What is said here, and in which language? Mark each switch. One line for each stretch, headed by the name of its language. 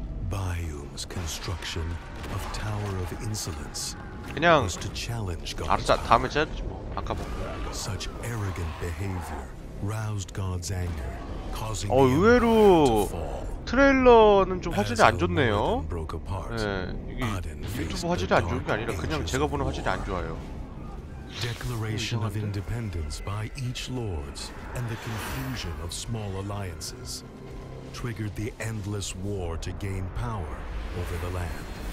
English: Biome's construction of Tower of Insolence.
Korean: 그냥
English: to challenge God's power.
Korean: 알았어, 다음에 잘 아까 봐.
English: Such arrogant behavior roused God's anger
Korean: 의외로 트레일러는 좀 화질이 안 좋네요. 네, 이게 유튜브 화질이 안 좋은 게 아니라 그냥 제가 보는 화질이 안 좋아요.
English: Declaration of independence by each lords and the confusion of small alliances triggered the endless war to gain power over the land.